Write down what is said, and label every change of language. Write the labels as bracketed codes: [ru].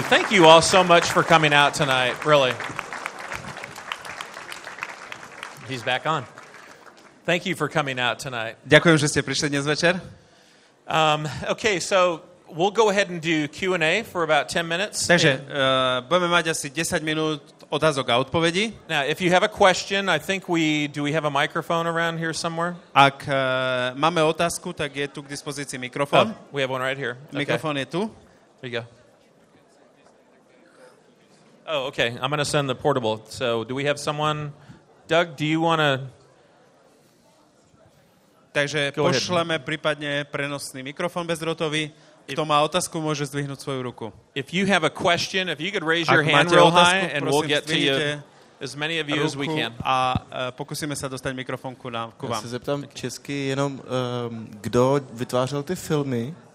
[en] Thank you all so much for coming out tonight, really. He's back on. Thank you for coming out tonight. [sk] Ďakujem, že ste prišli dnes večer. [en] Okay, so we'll go ahead and do Q&A for about 10 minutes. [sk] Takže, budeme mať asi 10 minút otázok a odpovedí. [en] Now, if you have a question, I think do we have a microphone around here somewhere? [sk] Ak máme otázku, tak je tu k dispozícii mikrofón. [en] We have one right here. [sk] Okay. Mikrofón je tu. [en] There you go. Oh, okay. I'm going to send the portable. So, do we have someone? Doug, do you want to... [sk] Takže [en] go [sk] pošleme [en] ahead. [sk] Prípadne prenosný mikrofón bezdrotový. Kto má otázku, môže zdvihnúť svoju ruku. [en] If you have a question, if you could raise your hand real high, and we'll get to you as many of you as we can. [sk] A pokusíme sa dostať mikrofón ku vám. [cs] Já se zeptám česky jenom, kdo vytvářel ty filmy?